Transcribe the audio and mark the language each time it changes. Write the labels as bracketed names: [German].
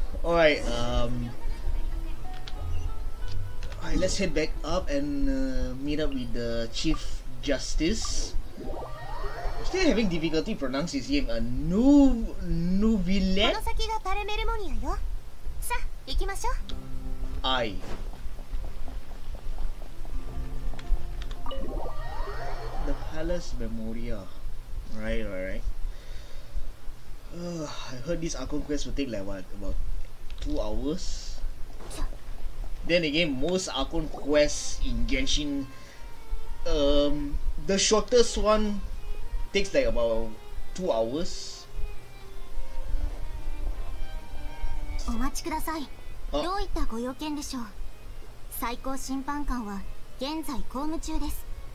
[English] Alright, alright, let's head back up and meet up with the Chief Justice. Still having difficulty pronouncing his name. A Nuvillette? [Japanese] この先がパレメルモニアよ。さあ、行きましょう。 [English] Aye. Palace Memoria. Right. I heard this Archon quest will take like what, about 2 hours? Then again, most Archon quests in Genshin, the shortest one takes like about 2 hours. [Japanese] お待ちください。どういったご用件でしょう。最高審判官は現在公務中です。